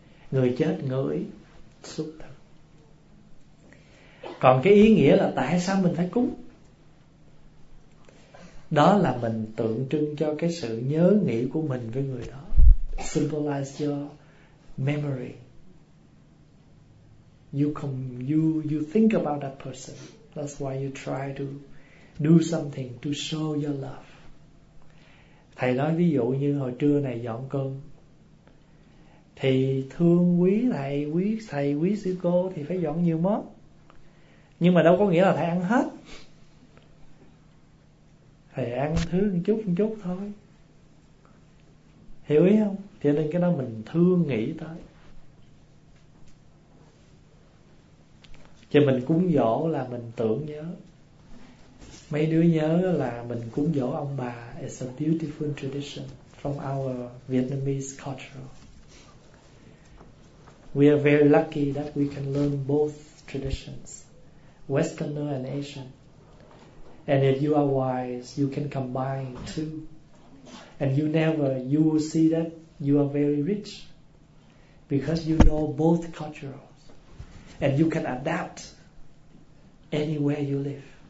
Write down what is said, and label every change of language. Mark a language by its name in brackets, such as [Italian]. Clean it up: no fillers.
[Vietnamese] Người chết ngửi xúc thực. Còn cái ý nghĩa là tại sao mình phải cúng? Đó là mình tượng trưng cho cái sự nhớ nghĩ của mình với người đó. [English] Symbolize your memory. You think about that person. That's why you try to do something to show your love. [Vietnamese] Thầy nói ví dụ như hồi trưa này dọn cơm, thì thương quý thầy, quý thầy, quý sư cô thì phải dọn nhiều món. Nhưng mà đâu có nghĩa là thầy ăn hết. Thầy ăn thứ một chút thôi. Hiểu ý không? Cho nên cái đó mình thương nghĩ tới. Cho mình cúng dỗ là mình tưởng nhớ. Mấy đứa nhớ là mình cúng dỗ ông bà. [English] It's a beautiful tradition from our Vietnamese culture. We are very lucky that we can learn both traditions, Westerner and Asian. And if you are wise, you can combine two. And you will see that you are very rich, because you know both cultures, and you can adapt anywhere you live.